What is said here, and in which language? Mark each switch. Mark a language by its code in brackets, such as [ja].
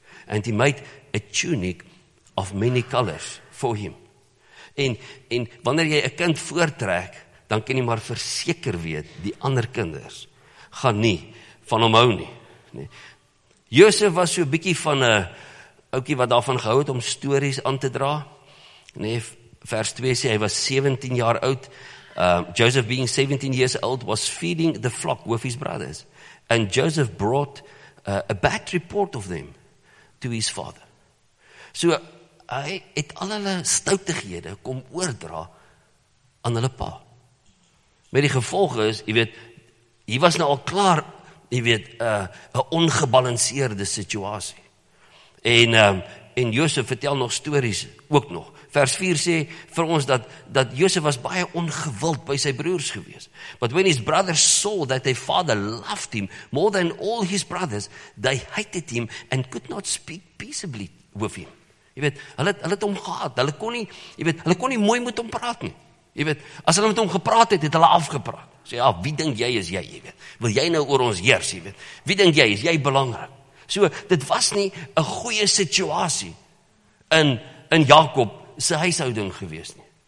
[en] And he made a tunic of many colors for him. [af] En wanneer jy 'n kind voortrek, dan kan jy maar verseker weet, die ander kinders gaan nie van hom hou nie. Nee. Josef was so 'n bietjie van 'n oukie wat daarvan gehou het om stories aan te dra. Nee, vers 2 sê, hy was 17 jaar oud. [en] Joseph being 17 years old was feeding the flock with his brothers. And Joseph brought a bad report of them to his father. [af] So, hy het al hulle stoutighede kom oordra aan hulle pa. Met die gevolg is, jy weet, hy was nou al klaar, jy weet, 'n ongebalanseerde situasie. En Josef vertel nog stories, ook nog. Vers 4 sê vir ons dat Josef was baie ongewild by sy broers gewees. [en] But when his brothers saw that their father loved him more than all his brothers, they hated him and could not speak peaceably with him. [af] Jy weet, hulle het hom gehaat, hulle kon nie mooi met hom praat nie. Jy weet, as hulle met hom gepraat het, het hulle afgepraat. Sê, ja, wie dink jy is jy, jy weet? Wil jy nou oor ons heers, jy weet? Wie dink jy, is jy belangrik? So, dit was nie 'n goeie situasie in Jakob se huishouding gewees nie.